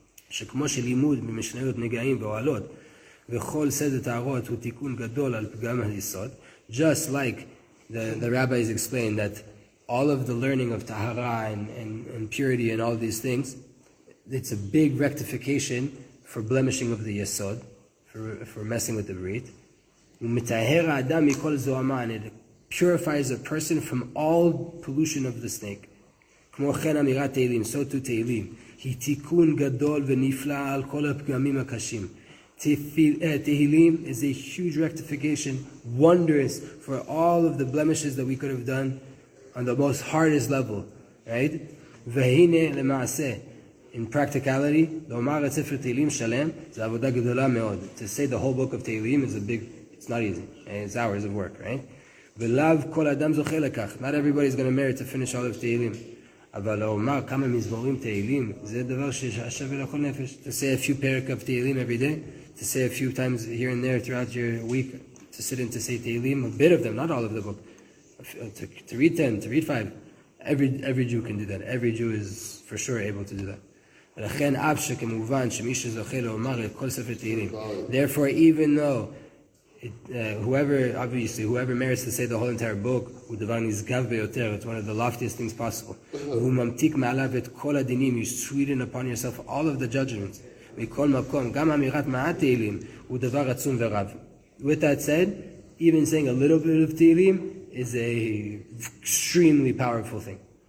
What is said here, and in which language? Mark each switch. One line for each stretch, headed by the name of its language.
Hebrew: שכמו שלימוד ממשניות נגעים ואוהלות וכל סדר תארות הוא תיקון גדול על פגם היסוד.
English: Just like the rabbis explained that all of the learning of Tahara and purity and all these things, it's a big rectification for blemishing of the Yesod, for messing with the Brit.
Hebrew: ומתאר האדם מכל זוהמן,
English: it purifies a person from all pollution of the snake.
Hebrew: כמו כן אמירת תהילים,
English: so to
Hebrew: תהילים. כי תיקון גדול ונפלא על כל הפגמים הקשים.
English: Tehillim is a huge rectification, wondrous for all of the blemishes that we could have done on the most hardest level, right?
Hebrew: והנה למעשה,
English: in practicality,
Hebrew: לומר את ספר תהילים שלם, זה עבודה גדולה מאוד.
English: To say the whole book of Tehillim is a big, it's not easy, it's hours of work, right?
Hebrew: ולאו כל אדם זוכה לכך,
English: not everybody's going to merit to finish all of Tehillim.
Hebrew: אבל אומר כמה מזמורים תהילים, זה דבר ששווה לכל נפש.
English: To say a few parak of תהילים every day, to say a few times here and there throughout your week, to sit and to say תהילים, a bit of them, not all of the book. To read 10, to read 5, every Jew can do that. Every Jew is for sure able to do that.
Hebrew: ולכן אף שכמובן שמי שזוכה לומר את כל ספר תהילים.
English: Therefore, even though whoever merits to say the whole entire book, it's one of the loftiest things possible. You sweeten upon yourself all of the judgments. With that said, even saying a little bit of Tehillim is a extremely powerful thing.